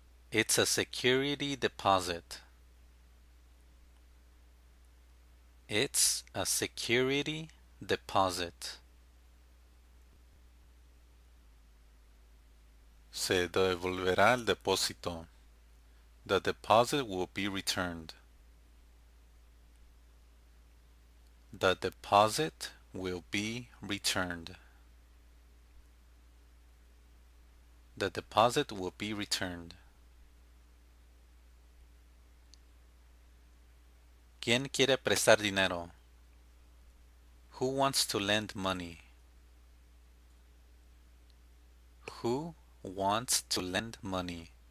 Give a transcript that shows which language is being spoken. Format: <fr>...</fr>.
<en>It's a security deposit. It's a security deposit.</en> <es>Se devolverá el depósito.</es> <en>The deposit will be returned. The deposit will be returned. The deposit will be returned.</en> <es>¿Quién quiere prestar dinero?</es> <en>Who wants to lend money? Who wants to lend money?</en>